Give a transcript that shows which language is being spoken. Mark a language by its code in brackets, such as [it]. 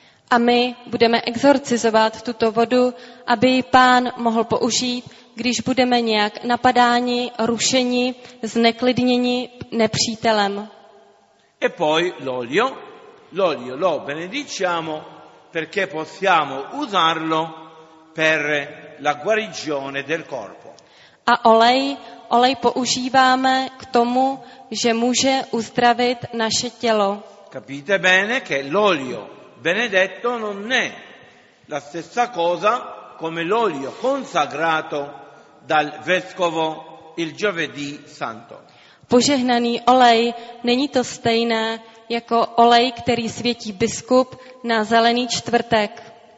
[cs] A my budeme exorcizovat tuto vodu, aby ji Pán mohl použít, když budeme nějak napadáni, rušeni, zneklidněni nepřítelem. [it] E poi l'olio lo benediciamo perché possiamo usarlo per la guarigione del corpo. [cs] A olej používáme k tomu, že může uzdravit naše tělo. [it] Capite bene che l'olio benedetto non è la stessa cosa come l'olio consacrato dal vescovo il giovedì santo. [cs] Požehnaný olej není to stejné jako olej, který světí biskup na zelený čtvrtek.